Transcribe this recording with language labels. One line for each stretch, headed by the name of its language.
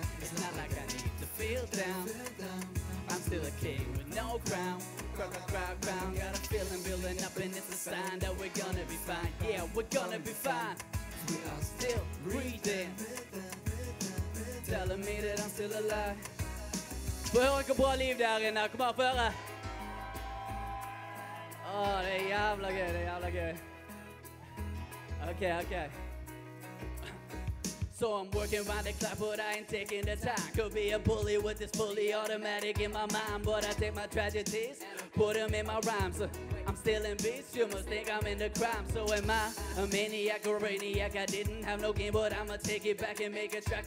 English: It's not like I need to feel down. I'm still a king with no crown. Crown. Got a feeling building up, and it's a sign that we're gonna be fine. Yeah, we're gonna be fine. We are still breathing, telling me that I'm still alive.
Norwegian: Får jeg høre hvor bra liv det er inne? Kom her, får jeg høre. Åh, det er jævla gøy, det er jævla gøy.
English: Ok, ok. So I'm working round the clock, but I ain't taking the time. Could be a bully with this fully automatic in my mind, but I take my tragedies, put them in my rhymes. I'm stealing beats, you must think I'm into crime. So am I a maniac or a maniac? I didn't have no game, but I'ma take it back and make a track.